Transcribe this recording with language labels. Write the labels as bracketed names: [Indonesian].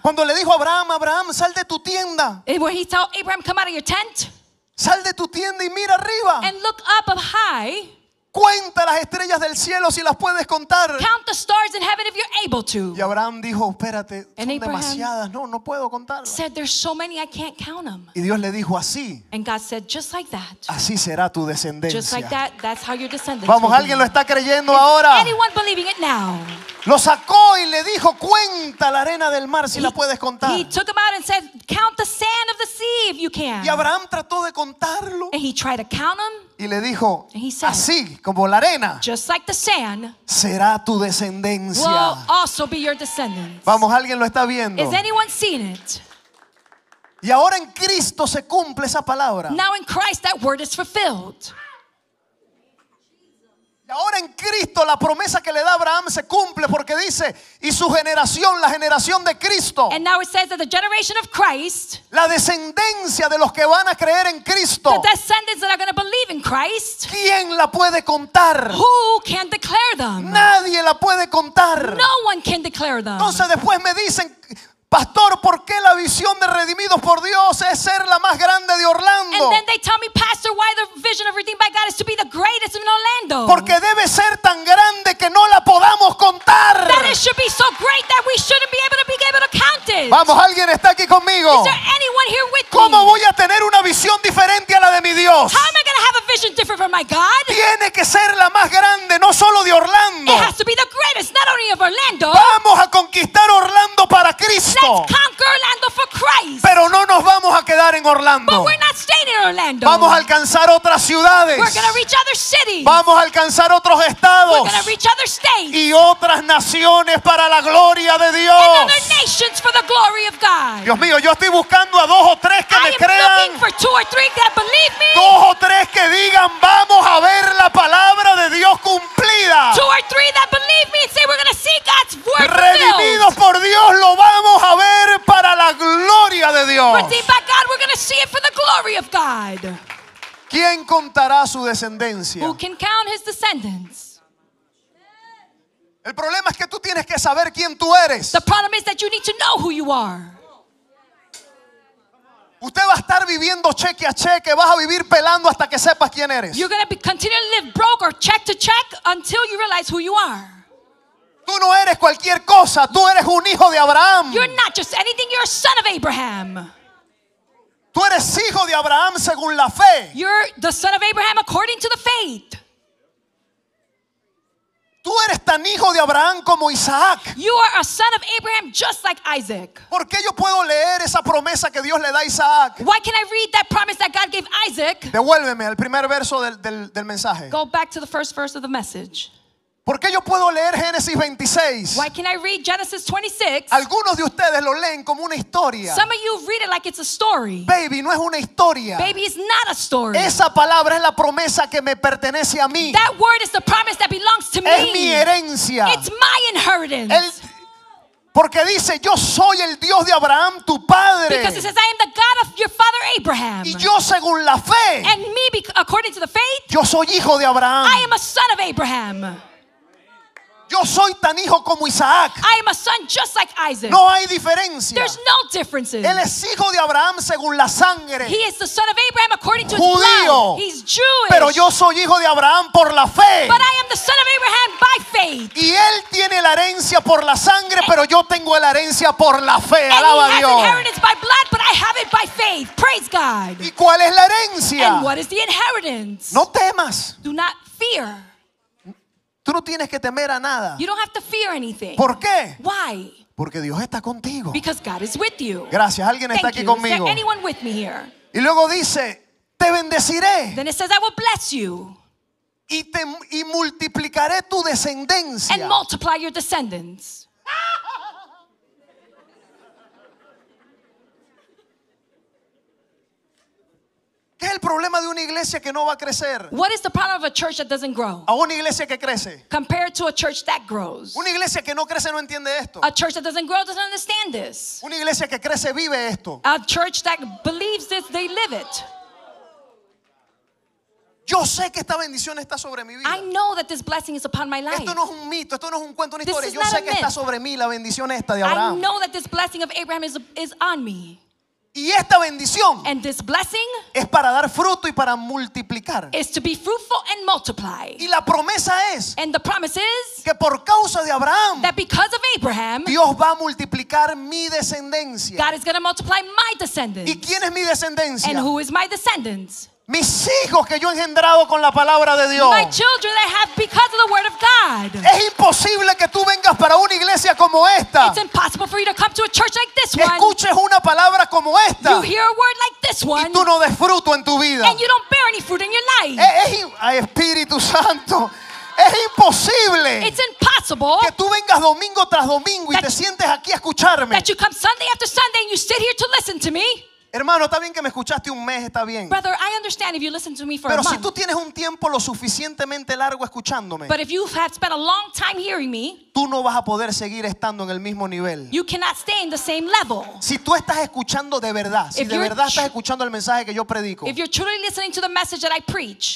[Spanish] Cuando le dijo a Abraham, Abraham, sal de tu tienda. [English] And when he told Abraham, come out of your tent. [Spanish] Sal de tu tienda y mira arriba. [English] And look up high. [Spanish] Cuenta las estrellas del cielo si las puedes contar. [English] Count the stars in heaven if you're able to. [Spanish] Y Abraham dijo, espérate, son [English] Abraham [Spanish] demasiadas, no puedo contarlas. [English] Said, there's so many I can't count them. [Spanish] Y Dios le dijo, así. [English] And God said, just like that. [Spanish] Así será tu descendencia. [English] Just like that, that's how your descendants [Spanish] Vamos, alguien [English] be. [Spanish] Lo está creyendo [English] is [Spanish] ahora. [English] Anyone believing it now? [Spanish] Lo sacó y le dijo, cuenta la arena del mar si la puedes contar. [English] He took him out and said, count the sand of the sea if you can. [Spanish] Y Abraham trató de contarlo. [English] And he tried to count him. [Spanish] Y le dijo, [English] said, [Spanish] así como la arena, [English] just like the sand, [Spanish] será tu descendencia. [English] Will also be your descendants. [Spanish] Vamos, alguien lo está viendo. [English] Has anyone seen it? [Spanish] Y ahora en Cristo se cumple esa palabra. [English] Now in Christ that word is fulfilled. [Spanish] Y ahora en Cristo la promesa que le da Abraham se cumple porque dice, y su generación, la generación de Cristo. [English] And now it says that the generation of Christ, [Spanish] la descendencia de los que van a creer en Cristo. [English] The descendants that are going to believe in Christ. [Spanish] ¿Quién la puede contar? [English] Who can declare them? [Spanish] Nadie la puede contar. [English] No one can declare them. [Spanish] Entonces después me dicen, pastor, ¿por qué la visión de redimidos por Dios es ser la más grande de Orlando? [English] And then they tell me, pastor, why the vision of redeemed by God is to be the greatest in Orlando. [Spanish] Porque debe ser tan grande que no la podamos contar. [English] That it should be so great that we shouldn't be able to count it. [Spanish] Vamos, ¿alguien está aquí conmigo? [English] Is there anyone here with me? [Spanish] ¿Cómo voy a tener una visión diferente a la de mi Dios? [English] How am I going to have a vision different from my God? [Spanish] Tiene que ser la más grande, no solo de Orlando. [English] It has to be the greatest, not only of Orlando. [Spanish] Vamos a conquistar Orlando para Cristo. [English] Let's conquer Orlando for Christ. [Spanish] Pero no nos vamos a quedar en Orlando. [English] But we're not staying in Orlando. [Spanish] Vamos a alcanzar otras ciudades. [English] We're going to reach other cities. [Spanish] Vamos a alcanzar otros estados. [English] We're going to reach other states. [Spanish] Y otras naciones para la gloria de Dios. [English] And other nations for the glory of God. [Spanish] Dios mío, yo estoy buscando a dos o tres que me crean. [English] I am looking for two or three that believe me. [Spanish] Dos o tres que digan, vamos a ver la palabra de Dios cumplida. [English] Two or three that believe me and say we're going to see God's word. [Spanish] Redimidos por Dios, lo vamos a ver para la gloria de Dios. [English] Redeemed by God, we're going to see it for the glory of God. [Spanish] ¿Quién contará su descendencia? [English] Who can count his descendants? [Spanish] El problema es que tú tienes que saber quién tú eres. [English] The problem is that you need to know who you are. [Spanish] Usted va a estar viviendo cheque a cheque, vas a vivir pelando hasta que sepas quién eres. [English] You're going to be continuing to live broke or check to check until you realize who you are. [Spanish] Tú no eres cualquier cosa, tú eres un hijo de Abraham. [English] You're not just anything, you're a son of Abraham. [Spanish] Tú eres hijo de Abraham según la fe. [English] You're the son of Abraham according to the faith. [Spanish] Tú eres tan hijo de Abraham como Isaac. [English] You are a son of Abraham just like Isaac. [Spanish] ¿Por qué yo puedo leer esa promesa que Dios le da a Isaac? [English] Why can I read that promise that God gave Isaac? [Spanish] Devuélveme al primer verso del mensaje. [English] Go back to the first verse of the message. [Spanish] ¿Por qué yo puedo leer Génesis 26? [English] Why can I read Genesis 26? [Spanish] Algunos de ustedes lo leen como una historia. [English] Some of you read it like it's a story. [Spanish] Baby, no es una historia. [English] Baby, it's not a story. [Spanish] Esa palabra es la promesa que me pertenece a mí. [English] That word is the promise that belongs to me. [Spanish] Es mi herencia. [English] It's my inheritance. [Spanish] Porque dice, yo soy el Dios de Abraham, tu padre. [English] Because it says, I am the God of your father Abraham. [Spanish] Y yo según la fe. [English] And me, according to the faith. [Spanish] Yo soy hijo de Abraham. [English] I am a son of Abraham. [Spanish] Yo soy tan hijo como Isaac. [English] I am a son just like Isaac. [Spanish] No hay diferencia. [English] There's no differences. [Spanish] Él es hijo de Abraham según la sangre. [English] He is the son of Abraham according to [Spanish] judío. [English] His blood. He's Jewish. [Spanish] Pero yo soy hijo de Abraham por la fe. [English] But I am the son of Abraham by faith. [Spanish] Y él tiene la herencia por la sangre, [English] and, [Spanish] pero yo tengo la herencia por la fe. Alaba Dios. [English] He has inheritance by blood, but I have it by faith. Praise God. [Spanish] ¿Y cuál es la herencia? [English] And what is the inheritance? [Spanish] No temas. [English] Do not fear. [Spanish] Tú no tienes que temer a nada. [English] You don't have to fear anything. [Spanish] ¿Por qué? [English] Why? [Spanish] Porque Dios está contigo. [English] Because God is with you. [Spanish] Gracias, alguien [English] Thank [Spanish] está aquí [English] you. [Spanish] Conmigo. [English] Is there anyone with me here? [Spanish] Y luego dice, te bendeciré. [English] Then it says, I will bless you. [Spanish] Y multiplicaré tu descendencia. [English] And multiply your descendants. [Spanish] ¿Qué es el problema de una iglesia que no va a crecer? [English] What is the problem of a church that doesn't grow? [Spanish] A una iglesia que crece. [English] Compared to a church that grows. [Spanish] Una iglesia que no crece no entiende esto. [English] A church that doesn't grow doesn't understand this. [Spanish] Una iglesia que crece vive esto. [English] A church that believes this, they live it. [Spanish] Yo sé que esta bendición está sobre mi vida. [English] I know that this blessing is upon my life. [Spanish] Esto no es un mito, esto no es un cuento, una [English] this [Spanish] historia. Yo sé que [English] myth. [Spanish] Está sobre mí la bendición esta de Abraham. [English] I know that this blessing of Abraham is on me. [Spanish] Y esta bendición [English] and this blessing [Spanish] es para dar fruto y para multiplicar. [English] Is to be fruitful and multiply. [Spanish] Y la promesa es [English] and the promise is [Spanish] que por causa de Abraham, [English] that because of Abraham [Spanish] Dios va a multiplicar mi descendencia. [English] God is going to multiply my descendants. [Spanish] ¿Y quién es mi descendencia? [English] And who is my descendants? [Spanish] Mis hijos que yo he engendrado con la palabra de Dios. [English] My children that have because of the word of God. [Spanish] Es imposible que tú vengas para una iglesia como esta. [English] It's impossible for you to come to a church like this one. [Spanish] Escuches una palabra como esta. [English] You hear a word like this one. [Spanish] Y tú no des fruto en tu vida. [English] And you don't bear any fruit in your life. [Spanish] Ay, Espíritu Santo. Es imposible. [English] It's impossible. [Spanish] Que tú vengas domingo tras domingo y te sientes aquí a escucharme. [English] That you come Sunday after Sunday and you sit here to listen to me. [Spanish] Hermano, está bien que me escuchaste un mes, está bien. [English] Brother, I understand if you listen to me for [Spanish] Pero [English] a month. [Spanish] Pero si tú tienes un tiempo lo suficientemente largo escuchándome. [English] But if you have spent a long time hearing me. [Spanish] Tú no vas a poder seguir estando en el mismo nivel. [English] You cannot stay in the same level. [Spanish] Si tú estás escuchando de verdad, si de verdad estás escuchando el mensaje que yo predico. [English] If you're truly listening to the message that I preach.